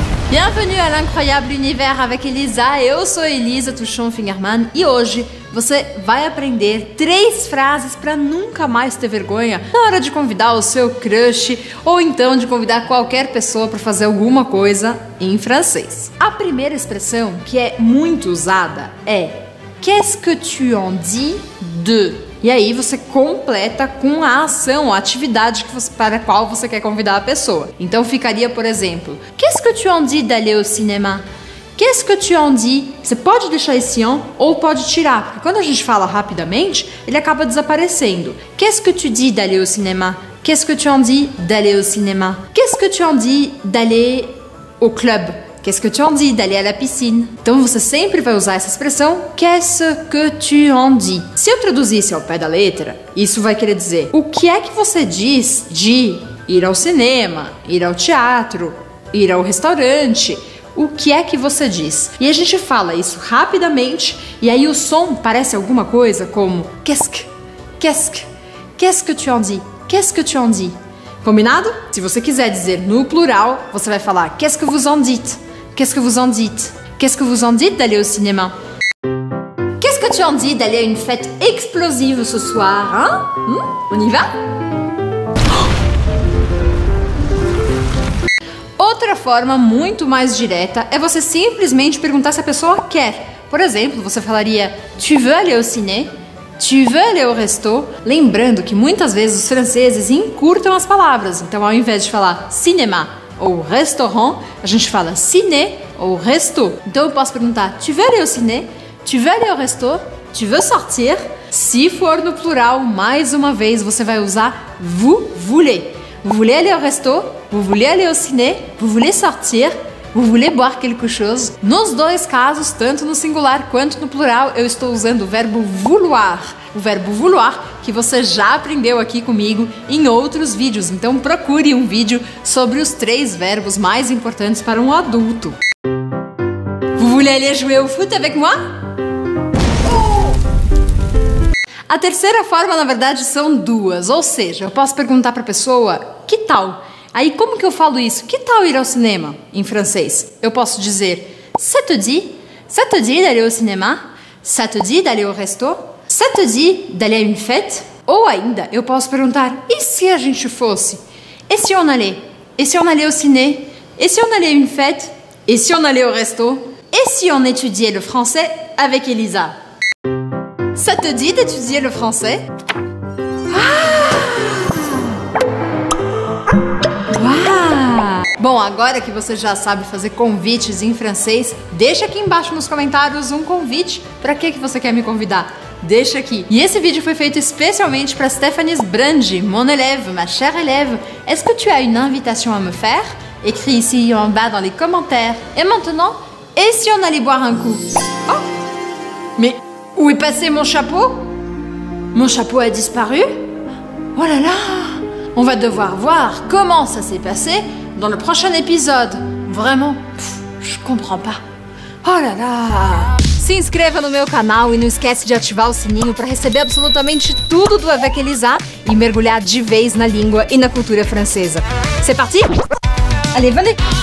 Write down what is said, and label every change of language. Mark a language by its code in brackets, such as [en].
[fr] Bienvenue à l'incroyable univers avec Elisa. [pt] Eu sou Elisa Tuchon Fingerman e hoje você vai aprender três frases para nunca mais ter vergonha na hora de convidar o seu crush ou então de convidar qualquer pessoa para fazer alguma coisa em francês. A primeira expressão, que é muito usada, é [fr] Qu'est-ce que tu en dis de? [pt] E aí você completa com a ação, a atividade que você, para a qual você quer convidar a pessoa. Então ficaria, por exemplo, [fr] Qu'est-ce que tu en dis d'aller au cinéma? Qu'est-ce que tu en dis? [pt] Você pode deixar esse on ou pode tirar, porque quando a gente fala rapidamente, ele acaba desaparecendo. [fr] Qu'est-ce que tu dis d'aller au cinéma? Qu'est-ce que tu en dis d'aller au cinéma? Qu'est-ce que tu en dis d'aller au club? Qu'est-ce que tu en dis d'aller à la piscine? [pt] Então você sempre vai usar essa expressão [fr] Qu'est-ce que tu en dis? [pt] Se eu traduzisse ao pé da letra, isso vai querer dizer o que é que você diz de ir ao cinema, ir ao teatro, ir ao restaurante. O que é que você diz? E a gente fala isso rapidamente e aí o som parece alguma coisa como Qu'est-ce? [fr] Qu'est-ce? Qu'est-ce que tu en dis? Qu'est-ce que tu en dis? Combinado? [pt] Se você quiser dizer no plural, você vai falar [fr] Qu'est-ce que vous en dites? Qu'est-ce que vous en dites? Qu'est-ce que vous en dites d'aller au cinéma? Qu'est-ce que tu en dis d'aller à une fête explosive ce soir, hein? On y va? [pt] Outra forma muito mais direta é você simplesmente perguntar se a pessoa quer. Por exemplo, você falaria [fr] Tu veux aller au ciné? Tu veux aller au resto? [pt] Lembrando que muitas vezes os franceses encurtam as palavras. Então, ao invés de falar cinéma ou restaurant, a gente fala ciné ou resto. Então, eu posso perguntar [fr] Tu veux aller au ciné? Tu veux aller au resto? Tu veux sortir? [pt] Se for no plural, mais uma vez, você vai usar [fr] vous voulez. Vous voulez aller au resto? Vous voulez aller au ciné? Vous voulez sortir? Vous voulez boire quelque chose? [pt] Nos dois casos, tanto no singular quanto no plural, eu estou usando o verbo vouloir. O verbo vouloir que você já aprendeu aqui comigo em outros vídeos. Então procure um vídeo sobre os três verbos mais importantes para um adulto. [fr] Vous voulez aller jouer au foot avec moi? [pt] A terceira forma, na verdade, são duas. Ou seja, eu posso perguntar para a pessoa, que tal? Aí, como que eu falo isso? Que tal ir ao cinema? Em francês, eu posso dizer [fr] Ça te dit? Ça te dit d'aller au cinéma? Ça te dit d'aller au resto? Ça te dit d'aller à une fête? [pt] Ou ainda, eu posso perguntar E se a gente fosse? [fr] Et si on allait? Et si on allait au ciné? Et si on allait à une fête? Et si on allait au resto? Et si on étudiait le français avec Elisa? Ça te dit d'étudier le français? [pt] Bom, agora que você já sabe fazer convites em francês, deixa aqui embaixo nos comentários um convite. Pra que você quer me convidar? Deixa aqui. E esse vídeo foi feito especialmente pra Stéphanie Brandi, [fr] mon élève, ma chère élève. Est-ce que tu as une invitation à me faire? Écris ici en bas dans les commentaires. Et maintenant, et si on allait boire un coup? Oh! Mais où est passé mon chapeau? Mon chapeau a disparu? Oh là là! On va devoir voir comment ça s'est passé dans le prochain épisode. Vraiment, je comprends pas. Oh là là! [pt] Se inscreva no meu canal e não esquece de ativar o sininho para receber absolutamente tudo do Avec Elisa e mergulhar de vez na língua e na cultura francesa. [fr] C'est parti? Allez, venez!